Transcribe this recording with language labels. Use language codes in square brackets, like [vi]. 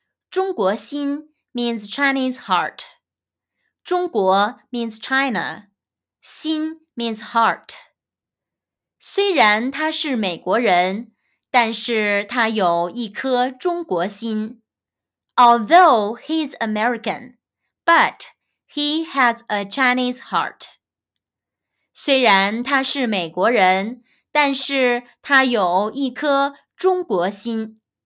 [en] 中国心 means Chinese heart. 中国 means China. 心 means heart. [zh] 虽然他是美国人，但是他有一颗中国心。 [en] Although he's American, but he has a Chinese heart. [zh] 虽然他是美国人，但是他有一颗中国心。